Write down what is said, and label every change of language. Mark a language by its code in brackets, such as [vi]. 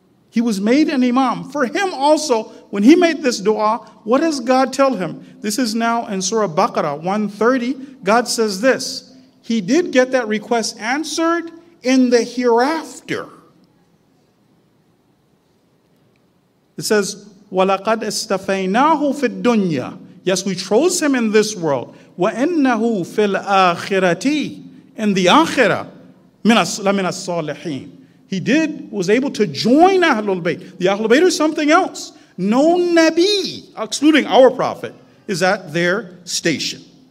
[en] He was made an imam. For him also, when he made this dua, what does God tell him? This is now in Surah Baqarah 130. God says this. He did get that request answered in the hereafter. It says, [ar] وَلَقَدْ أَسْتَفَيْنَاهُ فِي الدُّنْيَا. [en] Yes, we chose him in this world. [ar] وَإِنَّهُ فِي الْآخِرَةِ. [en] In the akhirah, [ar] لَمِنَ الصَّالِحِينَ. [en] He did, was able to join Ahlul Bayt. The Ahlul Bayt is something else. No Nabi, excluding our Prophet, is at their station.